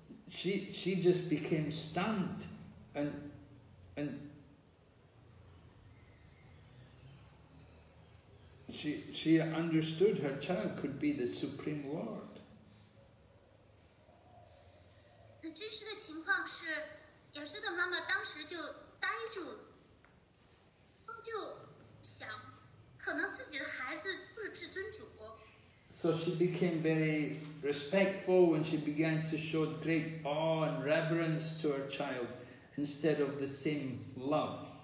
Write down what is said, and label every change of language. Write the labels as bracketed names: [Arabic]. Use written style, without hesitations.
[English] She just became stunned and she understood her child could be the Supreme Lord. [Chinese] 真实的情况是，亚瑟的妈妈当时就呆住，就想，可能自己的孩子不是至尊主。 [English] So she became very respectful when she began to show great awe and reverence to her child instead of the same love.